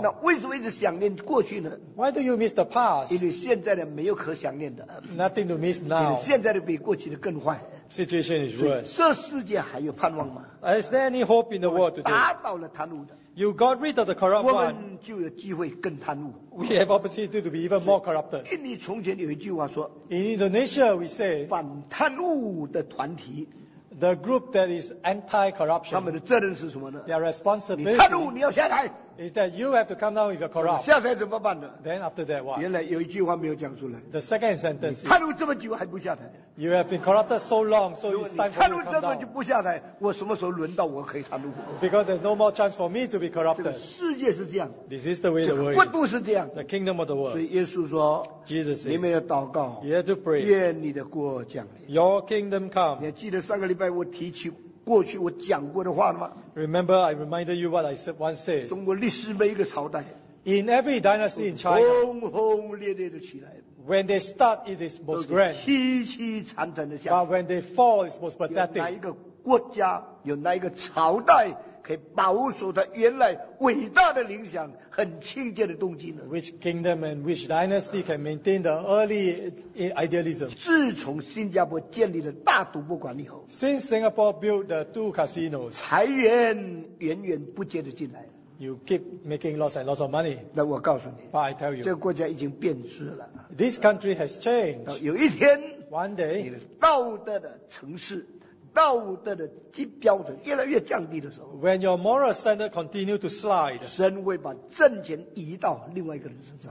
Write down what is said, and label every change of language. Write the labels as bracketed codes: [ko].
[zh] 那为什么一直想念过去呢? [en] Why do you miss the past? [zh] 因为现在的没有可想念的。 [en] Nothing to miss now. [zh] 因为现在的比过去的更坏。 [en] Situation is worse. [zh] 这世界还有盼望吗? [en] Is there any hope in the world today? [zh] 达到了贪污的。 [en] You got rid of the corrupt one. [zh] 我们就有机会更贪污。 [en] We have opportunity to be even more corrupted. [zh] 印尼从前有一句话说, [en] in Indonesia we say, [zh] 反贪污的团体, [en] the group that is anti-corruption, [zh] 他们的责任是什么呢? [en] Their responsibility [zh] 你贪污, 你要下台, [en] is that you have to come down if you're corrupt. [zh] 下台怎么办呢? [en] Then after that, what? [zh] 原来有一句话没有讲出来。 [en] The second sentence is, [zh] 你贪污这么久还不下台? [en] You have been corrupted so long, so it's time for you to come down. [zh] 就不下来, 我什么时候轮到我可以贪污? [en] Because there's no more chance for me to be corrupted. [zh] 这个世界是这样, [en] this is the way the world is. The kingdom of the world. [zh] 所以耶稣说, [en] Jesus said, [zh] 你们要祷告, [en] you have to pray. [zh] 愿你的国降临, [en] your kingdom come. [zh] 你还记得上个礼拜我提起, 过去我讲过的话吗? [en] Remember, I reminded you what I said, once said. [zh] 中国历史每一个朝代, [en] in every dynasty in China, [zh] 轰轰烈烈的起来, [en] when they start, it is most grand. [zh] 七七惨惨的下, [en] but when they fall, it's most pathetic. [zh] 有哪一个国家, 有哪一个朝代, 可以保守它原来伟大的理想, 很清洁的动机呢? [en] Which kingdom and which dynasty can maintain the early idealism? [zh] 自从新加坡建立了大赌博馆以后, [en] since Singapore built the two casinos, [zh] 财源源源不绝的进来, [en] you keep making lots and lots of money. [zh] 那我告诉你, [en] but I tell you, [zh] 这个国家已经变质了, [en] this country has changed. [zh] 有一天, [en] one day, [zh] 你的道德的城市, 道德的基标准越来越降低的时候, [en] when your moral standard continue to slide, [zh] 神会把政权移到另外一个人身上,